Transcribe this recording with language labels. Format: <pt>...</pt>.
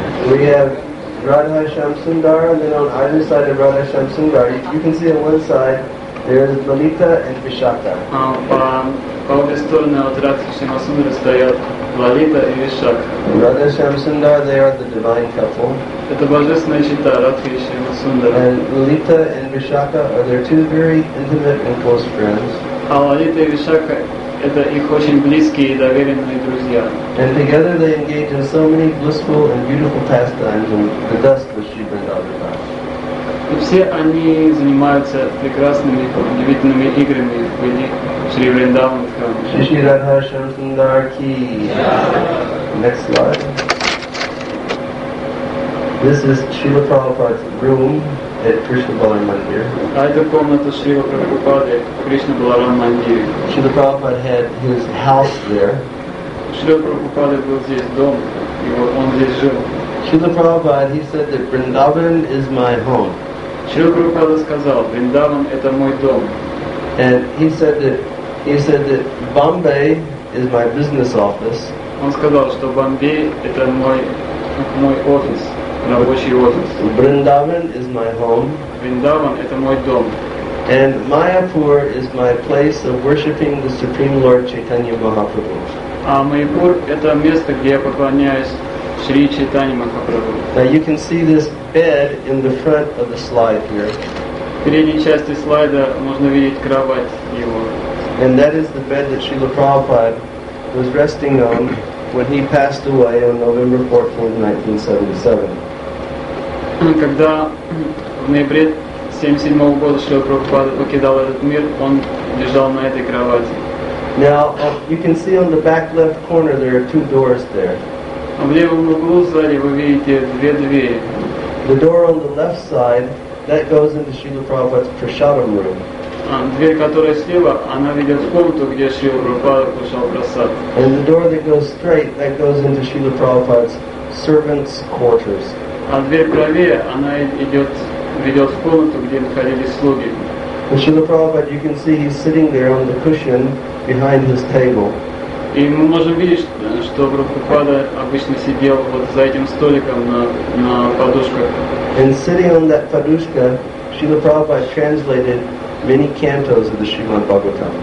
<en>We have Radha Shamsundar, and then on either side of Radha Shamsundar, you can see on one side there is Lalita and Vishakha.</en> <ru>По обе стороны от Радхи Шамасундара стоят Лалита и Вишакха.</ru> <en>Radha Shamsundar, they are the divine couple.</en> <ru>Это божественная чита Радхи и Шамасундара.</ru> <en>And Lalita and Vishakha are their two very intimate and close friends.</en> <ru>А Лалита и Вишакха — это их очень близкие и доверенные друзья.</ru> <en>And together they engage in so many blissful and beautiful pastimes in the dust with Shri Vrindavan.</en> <ru>И в все они занимаются прекрасными, удивительными играми в виде Шри Вриндавана храма.</ru> <hi>Шри Шри Радха Шрим Сундар Ки.</hi> <en>Next slide. This is Srila Prabhupada's room at Krishna Balaram Mandir.</en> <ru>Это комната Шрила Прабхупады в Кришна Баларам Мандире.</ru> <en>Srila Prabhupada had his house there.</en> <ru>Шрила Прабхупада был здесь дом, и вот он здесь жил.</ru> <en>Srila Prabhupada, he said that Vrindavan is my home.</en> <ru>Srila Prabhupada сказал, Vrindavan это мой дом.</ru> <en>And he said that Bombay is my business office.</en> <ru>Он сказал, что Бомбей это мой офис.</ru> <en>Vrindavan is my home.</en> <ru>Vrindavan это мой дом.</ru> <en>And Mayapur is my place of worshipping the Supreme Lord Chaitanya Mahaprabhu.</en> <ru>А Майяпур это место, где я поклоняюсь Шри Чайтанья Махапрабху.</ru> <en>Now you can see this bed in the front of the slide here.</en> <ru>В передней части слайда можно видеть кровать его.</ru> <en>And that is the bed that Srila Prabhupada was resting on when he passed away on November 14, 1977.</en> <ru>Когда в ноябре 77 года Шрила Прабхупада покидал этот мир, он лежал на этой кровати.</ru> <en>Now, you can see on the back left corner there are two doors there.</en> <ru>В левом углу сзади вы видите две двери.</ru> <en>The door on the left side, that goes into Srila Prabhupada's prasadam room.</en> <ru>Дверь, которая слева, она ведет в комнату, где Шрила Прабхупада кушал прасад.</ru> <en>And the door that goes straight, that goes into Srila Prabhupada's servants' quarters.</en> <ru>А дверь правее, она ведет в комнату, где находились слуги.</ru> <en>And Srila Prabhupada, you can see he's sitting there on the cushion behind his table.</en> <ru>И мы можем видеть, что Прабхупада обычно сидел вот за этим столиком на подушках.</ru> <en>And sitting on that padushka, Srila Prabhupada translated many cantos of the Srimad Bhagavatam.</en>